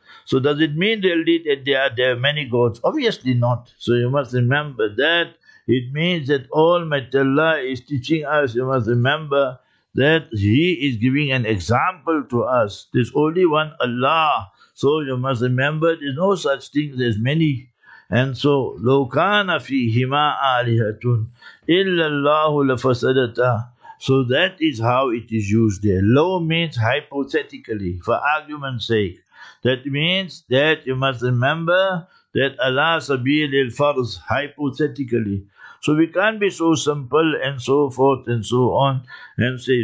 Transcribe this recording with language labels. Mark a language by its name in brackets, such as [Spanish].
[English] So does it mean really that there are many gods? Obviously not. So you must remember that. It means that Almighty Allah is teaching us, you must remember, that He is giving an example to us. There's only one Allah. So you must remember, there's no such thing as many. And so, [Arabic] لَوْ كَانَ فِيهِمَا آلِهَةٌ إِلَّا اللَّهُ لَفَسَدَتَا. [English] So that is how it is used there. Low means hypothetically, for argument's sake. That means that you must remember that Allah سَبِيلِ الْفَرْضِ, hypothetically. So we can't be so simple and so forth and so on and say.